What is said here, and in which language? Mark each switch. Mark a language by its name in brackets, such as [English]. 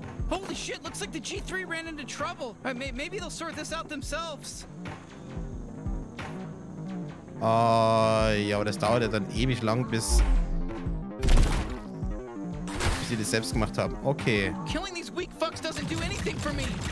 [English] Holy shit, looks like the G3 ran into trouble. Maybe they'll sort this out themselves. [German] Ja, aber das dauert ja dann ewig lang, bis sie das selbst gemacht haben. Okay. [English] Killing these weak fucks doesn't do anything for me.